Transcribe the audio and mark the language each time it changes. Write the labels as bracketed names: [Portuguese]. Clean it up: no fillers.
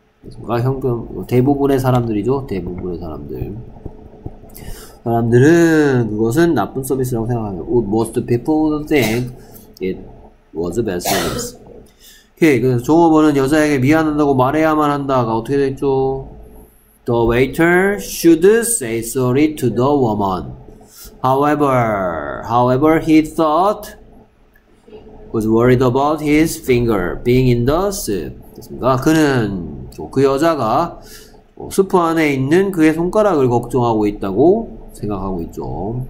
[Korean] 그러니까 현금, 대부분의 사람들이죠. 대부분의 사람들. 사람들은 그것은 나쁜 서비스라고 생각합니다. [English] Most people would think it was a bad service. [Korean] 오케이, 그래서 종업원은 여자에게 미안한다고 말해야만 한다가 어떻게 됐죠? [English] The waiter should say sorry to the woman. However, he thought was worried about his finger being in the soup. [Korean] 됐습니까? 그는, 그 여자가 수프 안에 있는 그의 손가락을 걱정하고 있다고 생각하고 있죠.